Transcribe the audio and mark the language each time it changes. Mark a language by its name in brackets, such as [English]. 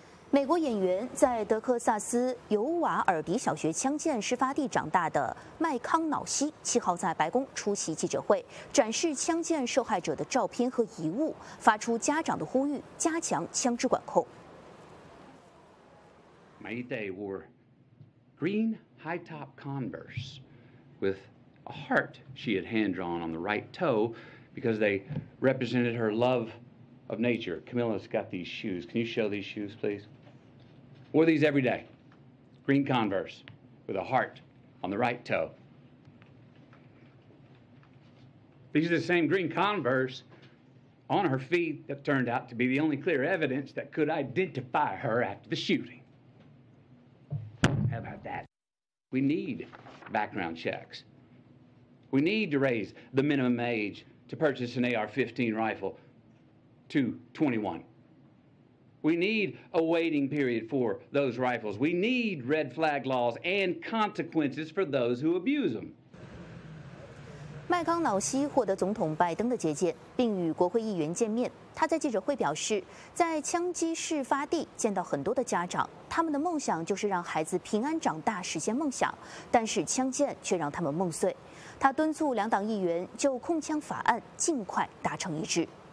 [Chinese] 美国演员在德克萨斯尤瓦尔迪小学枪剑事发地长大的麦康瑙西7号在白宫出席记者会，展示枪剑受害者的照片和遗物，发出家长的呼吁，加强枪支管控。 [English] My day wore green high top Converse with a heart she had hand drawn on the right toe because they represented her love of nature. Camilla's got these shoes. Can you show these shoes, please? Wore these every day. Green Converse with a heart on the right toe. These are the same green Converse on her feet that turned out to be the only clear evidence that could identify her after the shooting. How about that? We need background checks. We need to raise the minimum age to purchase an AR-15 rifle to 21. We need a waiting period for those rifles. We need red flag laws and consequences for those who abuse them. [Chinese] 麦康瑙西获得总统拜登的接见，并与国会议员见面。他在记者会表示，在枪击事发地见到很多的家长，他们的梦想就是让孩子平安长大，实现梦想。但是枪剑却让他们梦碎。他敦促两党议员就控枪法案尽快达成一致。